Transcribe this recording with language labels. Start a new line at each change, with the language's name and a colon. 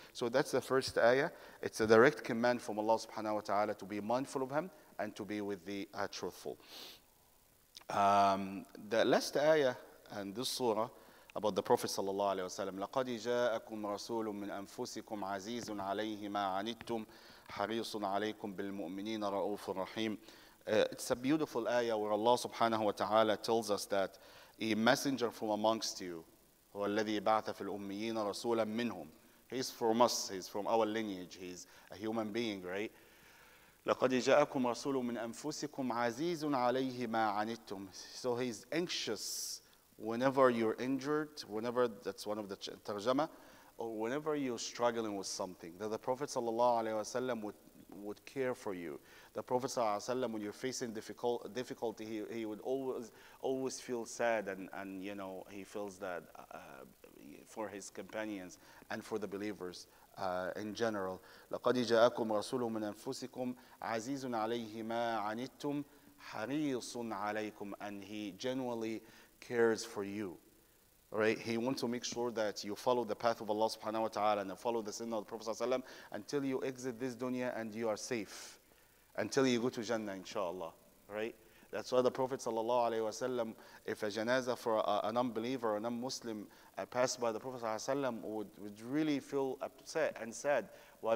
English: So that's the first ayah. It's a direct command from Allah subhanahu wa ta'ala to be mindful of him and to be with the truthful. The last ayah in this surah about the Prophet sallallahu alaihi wasallam,
Arabic: لقد جاءكم رسول من أنفسكم عزيز عليه ما عنتم حريص عليكم بالمؤمنين رؤوف رحيم.
English: It's a beautiful ayah where Allah subhanahu wa ta'ala tells us that a messenger from amongst you,
Arabic: هو الذي بعث في الأميين رسولا منهم.
English: He's from us, he's from our lineage, he's a human being, right?
Arabic: لقد جاءكم رسول من أنفسكم عزيز عليه ما عنتم.
English: So he's anxious whenever you're injured, whenever, that's one of the tarjama, or whenever you're struggling with something, that the Prophet sallallahu alaihi wasallam would care for you. The Prophet sallallahu alaihi wasallam, when you're facing difficulty, he would always feel sad, and you know, he feels that for his companions and for the believers in general.
Arabic: لقد جاءكم رسول من أنفسكم عزيز عليه ما عنتم حريص عليكم,
English: and he genuinely cares for you. Right, he wants to make sure that you follow the path of Allah subhanahu wa ta'ala and follow the sunnah of the Prophet sallallahu alaihi wasallam until you exit this dunya and you are safe, until you go to Jannah, inshallah. Right? That's why the Prophet sallallahu alaihi wasallam, if a janazah for an unbeliever, an unmuslim passed by the Prophet sallallahu alaihi wasallam, would really feel upset and sad. Why?